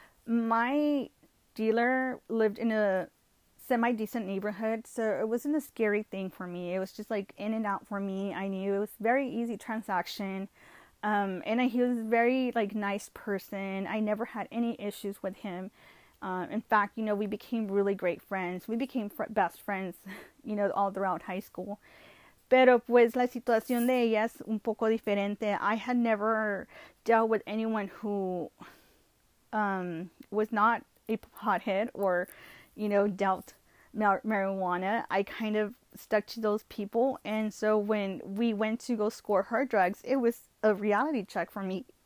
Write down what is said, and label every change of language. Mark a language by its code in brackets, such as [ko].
[en] My dealer lived in a semi-decent neighborhood, so it wasn't a scary thing for me. It was just like in and out for me. I knew it was very easy transaction. And he was a very like nice person. I never had any issues with him. In fact, you know, we became really great friends. We became best friends, you know, all throughout high school. [es] Pero pues la situación de ella es un poco diferente. [en] I had never dealt with anyone who was not a pothead or, you know, dealt marijuana. I kind of stuck to those people. And so when we went to go score her drugs, it was a reality check for me.